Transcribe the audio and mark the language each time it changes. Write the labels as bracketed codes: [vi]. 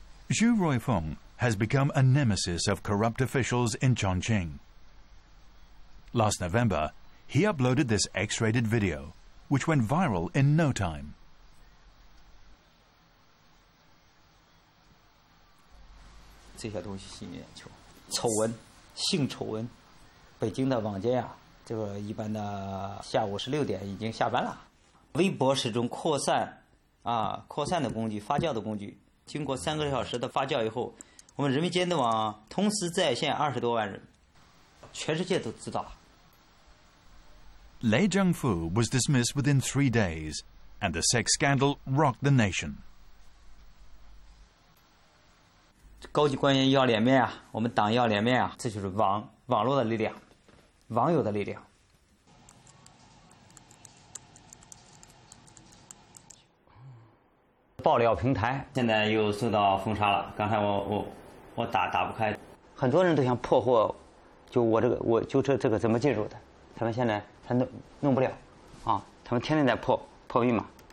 [en] Xu Ruifeng has become a nemesis of corrupt officials in Chongqing. Last November, he uploaded this X-rated video, which went viral in no time. [zh] 这些东西吸引眼球，丑闻，性丑闻。北京的网监啊，这个一般的下午16点已经下班了。微博是一种扩散啊、扩散的工具，发酵的工具。经过3个小时的发酵以后，我们人民监督网同时在线20多万人，全世界都知道了。 [en] Lei Zhengfu was dismissed within 3 days, and the sex scandal rocked the nation. [zh] 高级官员要脸面啊，我们党要脸面啊，这就是网络的力量，网友的力量。爆料平台现在又受到封杀了，刚才我打不开，很多人都想破获，就我这个我就这个怎么进入的，他们现在他弄不了，啊，他们天天在破密码。